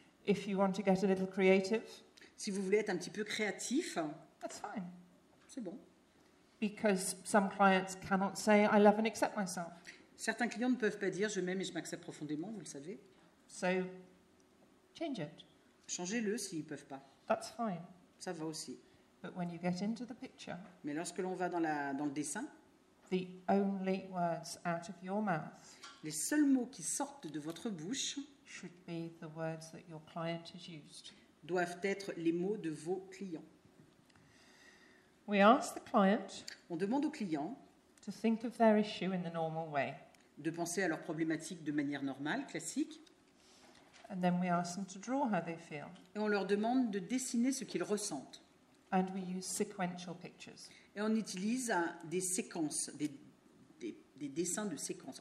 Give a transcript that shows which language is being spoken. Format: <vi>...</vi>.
<en>If you want to get a little creative.</en> <fr>Si vous voulez être un petit peu créatif.</fr> <en>That's fine.</en> <fr>C'est bon.</fr> <en>Because some clients cannot say I love and accept myself.</en> <fr>Certains clients ne peuvent pas dire je m'aime et je m'accepte profondément, vous le savez.</fr> <en>So change it.</en> <fr>Changez-le s'ils peuvent pas.</fr> <en>That's fine.</en> <fr>Ça va aussi.</fr> <en>But when you get into the picture,</en> <fr>mais lorsque l'on va dans le dessin,</fr> <en>the only words out of your mouth,</en> <fr>les seuls mots qui sortent de votre bouche,</fr> <en>should be the words that your client has used,</en> <fr>doivent être les mots de vos clients.</fr> <en>We ask the client,</en> <fr>on demande au client,</fr> <en>to think of their issue in the normal way,</en> <fr>de penser à leur problématique de manière normale, classique.</fr> <en>And then we ask them to draw how they feel.</en> <fr>Et on leur demande de dessiner ce qu'ils ressentent.</fr> <en>And we use sequential pictures.</en> <fr>Et on utilise des séquences, des dessins de séquences.</fr>